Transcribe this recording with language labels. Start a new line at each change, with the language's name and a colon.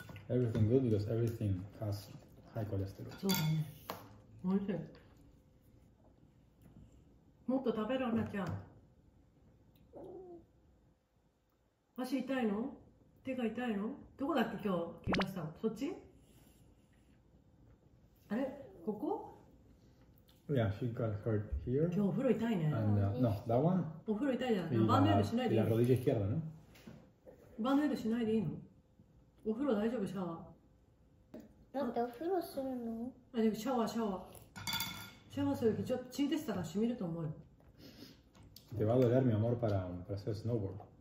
English: everything good because everything has high cholesterol.
Japanese: そうだね。おいしい。もっと食べろ、アナちゃん。足痛いの？手が痛いの？どこだっけ今日怪我したの？そっち？あれ？ここ？
English: Yeah, she got hurt here.
Japanese: 今日お風呂痛いね。
English: And, no, that one.
Japanese: お風呂痛いじゃん。バンドエルしないでいい。
Spanish: La rodilla izquierda, ¿no?
Japanese: バンドエルしないでいいの？お風呂大丈夫？シャワー。だってお風呂するの？あ、でもシャワー、シャワー。シャワーするときちょっと血出したら染みると思う。
Spanish: Te va a doler, mi amor, para hacer snowboard.